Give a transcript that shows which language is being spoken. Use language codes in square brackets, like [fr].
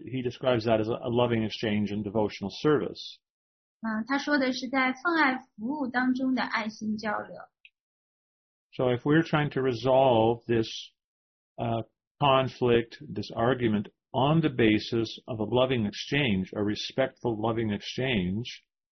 [en] he describes that as a loving exchange and devotional service. [zh] 他说的是在奉爱服务当中的爱心交流。So [en] if we're trying to resolve this conflict, this argument, on the basis of a loving exchange, a respectful loving exchange,